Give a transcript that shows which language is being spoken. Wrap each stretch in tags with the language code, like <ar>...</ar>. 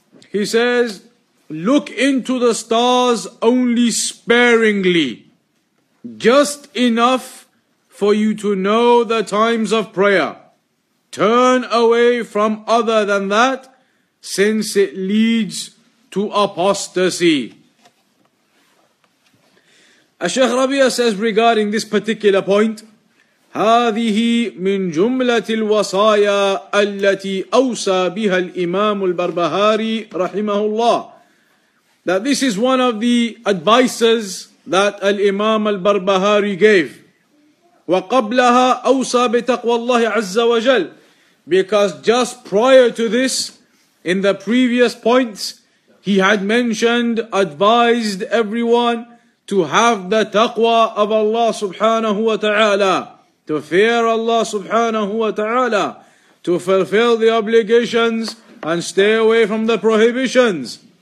<en>He says, look into the stars only sparingly, just enough for you to know the times of prayer. Turn away from other than that, since it leads to apostasy. Ash-Shaykh Rabi'a says regarding this particular point,</en> <ar>هذه من جملة الوصايا التي أوصى بها الإمام البربهاري رحمه الله.</ar> <en>That this is one of the advices that Al-Imam Al-Barbahari gave.</en> <ar>وقبلها أوصى بتقوى الله عز وجل.</ar> <en>Because just prior to this, in the previous points, he had mentioned, advised everyone to have the taqwa of Allah subhanahu wa ta'ala, to fear Allah subhanahu wa ta'ala, to fulfill the obligations and stay away from the prohibitions.</en>